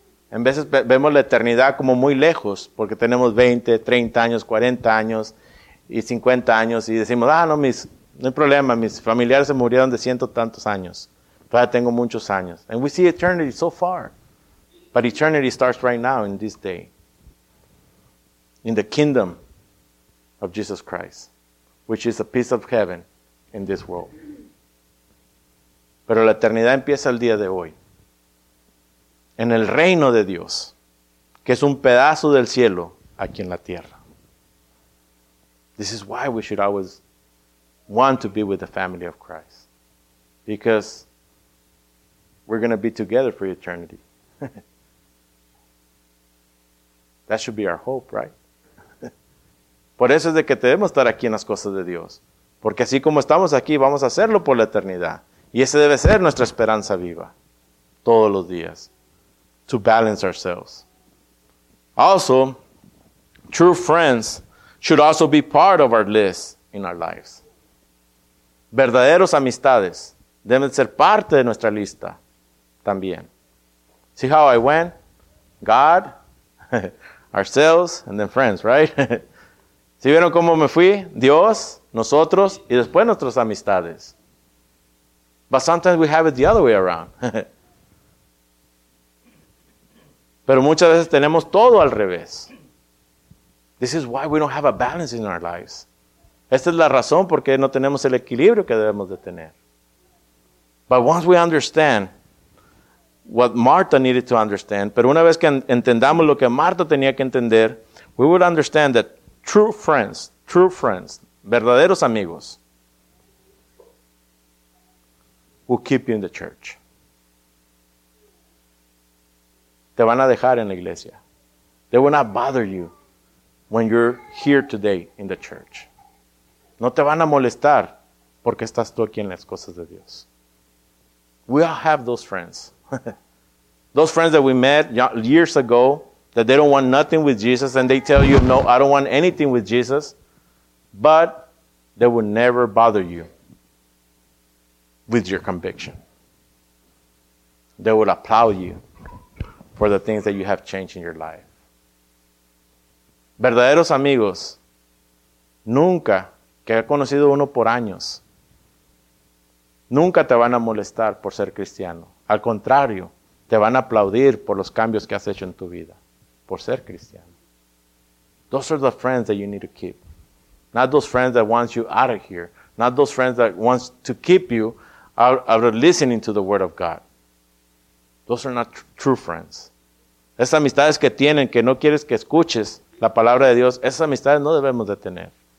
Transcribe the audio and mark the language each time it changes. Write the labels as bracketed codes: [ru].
[es] En veces vemos la eternidad como muy lejos porque tenemos 20, 30 años, 40 años y 50 años y decimos, ah, no, no hay problema, mis familiares se murieron de ciento tantos años. Todavía tengo muchos años. [en] And we see eternity so far. But eternity starts right now in this day. In the kingdom of Jesus Christ, which is a piece of heaven in this world. [es] Pero la eternidad empieza el día de hoy. En el reino de Dios, que es un pedazo del cielo aquí en la tierra. [en] This is why we should always want to be with the family of Christ. Because we're going to be together for eternity. That should be our hope, right? [es] Por eso es de que debemos estar aquí en las cosas de Dios. Porque así como estamos aquí, vamos a hacerlo por la eternidad. Y ese debe ser nuestra esperanza viva. Todos los días. [en] To balance ourselves. Also, true friends should also be part of our list in our lives. [es] Verdaderos amistades deben ser parte de nuestra lista también. [en] See how I went? God, ourselves, and then friends, right? [es] ¿Sí vieron cómo me fui? Dios, nosotros, y después nuestras amistades. [en] But sometimes we have it the other way around. [es] Pero muchas veces tenemos todo al revés. [en] This is why we don't have a balance in our lives. [es] Esta es la razón por qué no tenemos el equilibrio que debemos de tener. [en] But once we understand what Martha needed to understand, [es] pero una vez que entendamos lo que Martha tenía que entender, [en] we would understand that true friends, [es] verdaderos amigos, [en] will keep you in the church. [es] Te van a dejar en la iglesia. [en] They will not bother you when you're here today in the church. [es] No te van a molestar porque estás tú aquí en las cosas de Dios. [en] We all have those friends. Those friends that we met years ago, that they don't want nothing with Jesus, and they tell you, no, I don't want anything with Jesus, but they will never bother you with your conviction. They will applaud you for the things that you have changed in your life. [es] Verdaderos amigos, nunca, que ha conocido uno por años, nunca te van a molestar por ser cristiano. Al contrario, te van a aplaudir por los cambios que has hecho en tu vida, por ser cristiano. [en] Those are the friends that you need to keep. Not those friends that want you out of here. Not those friends that want to keep you out of listening to the word of God. Those are not true friends. [es] Esas amistades que tienen, que no quieres que escuches la palabra de Dios, esas amistades no debemos de tener.